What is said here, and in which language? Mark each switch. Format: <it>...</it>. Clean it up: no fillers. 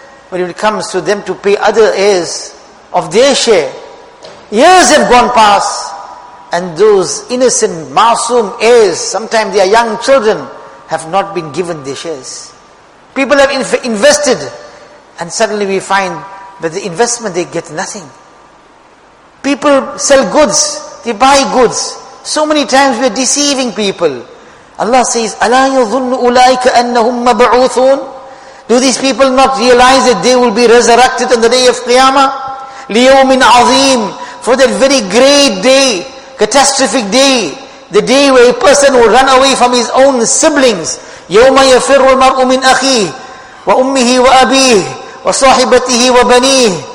<en>But when it comes to them to pay other heirs of their share, years have gone past, and those innocent, masoom heirs, sometimes they are young children, have not been given their shares. People have invested, and suddenly we find that the investment, they get nothing. People sell goods, they buy goods. So many times we are deceiving people. Allah says,</en> <ar>أَلَا يَظُنُّ أُولَٰئِكَ أَنَّهُمْ مَبْعُوثُونَ.</ar> <en>Do these people not realize that they will be resurrected on the day of Qiyamah?</en> <ar>لِيَوْمٍ عَظِيمٍ.</ar> <en>For that very great day, catastrophic day, the day where a person will run away from his own siblings.</en> <ar>يَوْمَ يَفِرُّ الْمَرْءُ مِنْ أَخِيهِ وَأُمِّهِ وَأَبِيهِ وَصَاحِبَتِهِ وَبَنِيهِ.</ar>